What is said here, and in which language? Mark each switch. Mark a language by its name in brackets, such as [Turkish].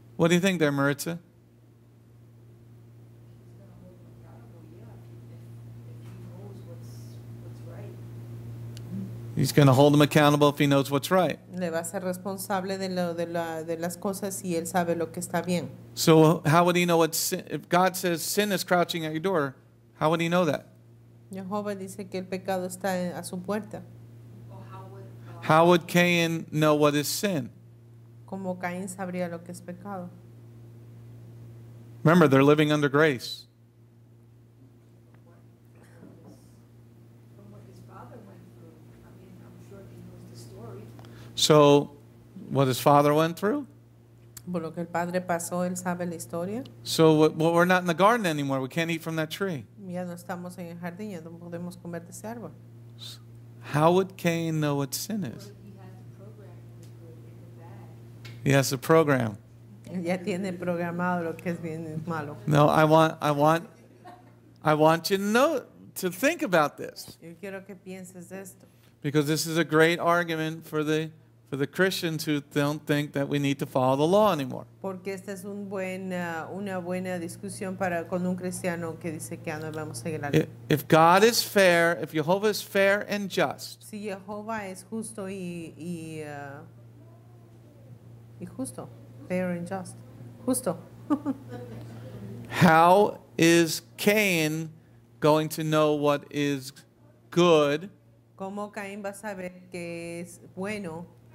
[English] What do you think there, Maritza? He's going to hold him accountable, yeah. If he knows what's right. He's going to hold him accountable if he knows what's right. [Spanish] Le va a ser responsable de lo de la de las cosas si él sabe lo que está bien. [English] So how would he know what sin, if God says sin is crouching at your door? How would he know that? [Spanish] Jehovah dice que el pecado está a su puerta. [English] How would Cain know what is sin? [Spanish] Como Cain sabría lo que es pecado. [English] Remember, they're living under grace. So, what his father went through? [Spanish] Por lo que el padre pasó, él sabe la historia. [English] So, well, we're not in the garden anymore. We can't eat from that tree. [Spanish] Ya no estamos en el jardín, ya no podemos comer de ese árbol. [English] How would Cain know what sin is? He has a program. [Spanish] Ya tiene programado lo que es bien y malo. [English] No, I want you to know, to think about this. [Spanish] Yo quiero que pienses esto. [English] Because this is a great argument for the Christians who don't think that we need to follow the law anymore. [Spanish] Porque esta es un buen una buena discusión para con un cristiano que dice que ya no vamos a seguir la ley. [English] If God is fair, if Jehovah is fair and just. [Spanish] Si Jehová es justo y justo, [English] fair and just, [Spanish] justo. [English] How is Cain going to know what is good? [Spanish] ¿Cómo Caín va a saber qué es bueno?